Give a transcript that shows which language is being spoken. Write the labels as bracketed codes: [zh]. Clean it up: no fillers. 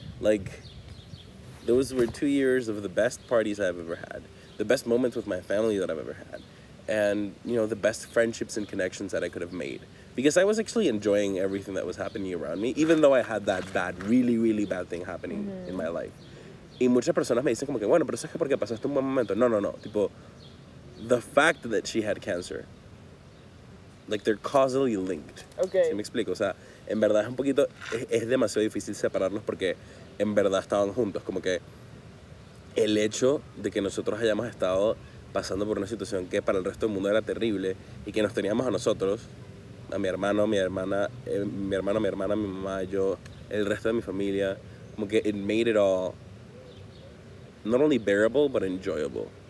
[en] Like, those were 2 years of the best parties I've ever had. The best moments with my family that I've ever had. And, you know, the best friendships and connections that I could have made. Because I was actually enjoying everything that was happening around me, even though I had that bad, really, really bad thing happening in my life. [es] Y muchas personas me dicen como que, bueno, pero ¿sabes por qué pasaste un buen momento? No, no, no. Tipo, [en] the fact that she had cancer, like, they're causally linked. Okay. [es] ¿Sí me explico? O sea, en verdad es un poquito, es demasiado difícil separarnos porque en verdad estaban juntos. Como que el hecho de que nosotros hayamos estado pasando por una situación que para el resto del mundo era terrible y que nos teníamos a nosotros, a mi hermano, mi hermana, mi hermano, mi hermana, mi mamá, yo, el resto de mi familia, como que [en] it made it all not only bearable but enjoyable.